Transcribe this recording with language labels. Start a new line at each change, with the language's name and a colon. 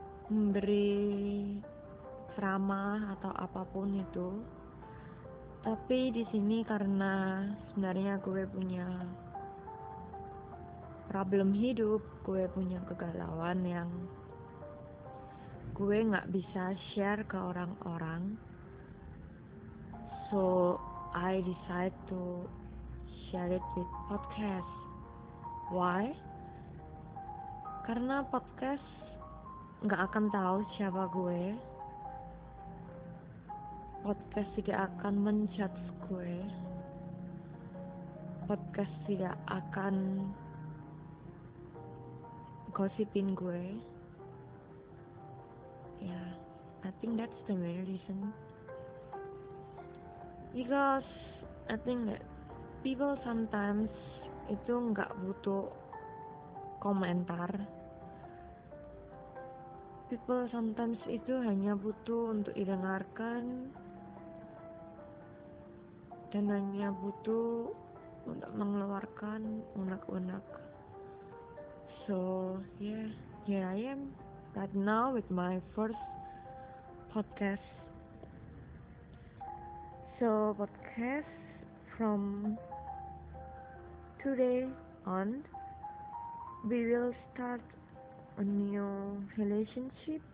Indonesian: memberi ceramah atau apapun itu, tapi di sini karena sebenarnya gue punya problem hidup, gue punya kegalauan yang gue gak bisa share ke orang-orang.
English: So, I decide to share it with podcast.
Indonesian: Why? Karena podcast gak akan tahu siapa gue. Podcast tidak akan menjudge gue. Podcast tidak akan gosipin gue.
English: Yeah, I think that's the main reason. Because I think that people sometimes itu
Indonesian: enggak butuh komentar.
English: People sometimes
Indonesian: itu hanya butuh untuk didengarkan dan hanya butuh untuk mengeluarkan unek-unek.
English: So, yeah, here I am. Right now with my first podcast. So podcast from today on, we will start a new relationship.